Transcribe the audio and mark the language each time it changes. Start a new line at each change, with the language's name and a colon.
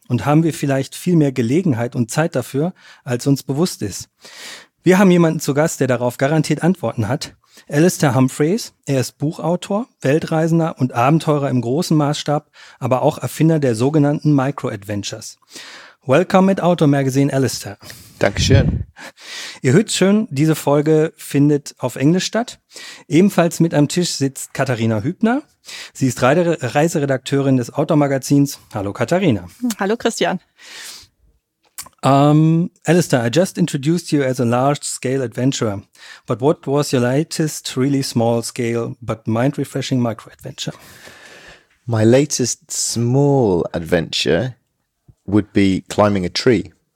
German: Und haben wir vielleicht viel mehr Gelegenheit und Zeit dafür, als uns bewusst ist? Wir haben jemanden zu Gast, der darauf garantiert Antworten hat. Alistair Humphreys, er ist Buchautor, Weltreisender und Abenteurer im großen Maßstab, aber auch Erfinder der sogenannten Micro-Adventures.
English: Welcome at Outdoor Magazine, Alistair.
German: Dankeschön. Ihr hört schon, diese Folge findet auf Englisch statt. Ebenfalls mit am Tisch sitzt Katharina Hübner. Sie ist Reiseredakteurin des Outdoor-Magazins. Hallo Katharina. Hallo Christian.
English: Alistair, I just introduced you as a large-scale adventurer, but what was your latest really small-scale but mind-refreshing micro-adventure? My latest small adventure would be climbing a tree.